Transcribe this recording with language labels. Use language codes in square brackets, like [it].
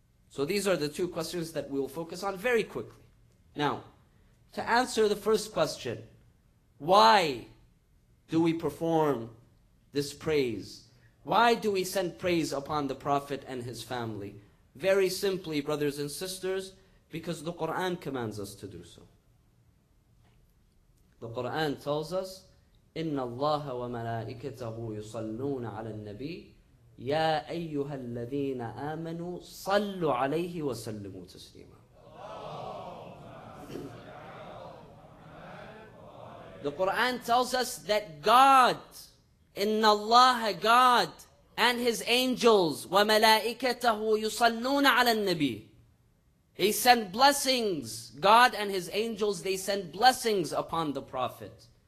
[en] So these are the two questions that we'll focus on very quickly. Now, to answer the first question, why do we perform this praise? Why do we send praise upon the Prophet and his family? Very simply, brothers and sisters, because the Quran commands us to do so. The Quran tells us, [ar] إِنَّ اللَّهَ وَمَلَائِكَتَهُ يُصَلُّونَ عَلَى النَّبِيِّ يَا أَيُّهَا الَّذِينَ آمَنُوا صَلُّوا عَلَيْهِ وَسَلِّمُوا تَسْلِيمًا. [en] The Quran tells us that God, إِنَّ اللَّهَ God, and His angels, [ar] وَمَلَائِكَتَهُ يُصَلُّونَ عَلَى النَّبِيِّ. [en] He sent blessings. God and His angels, they send blessings upon the Prophet.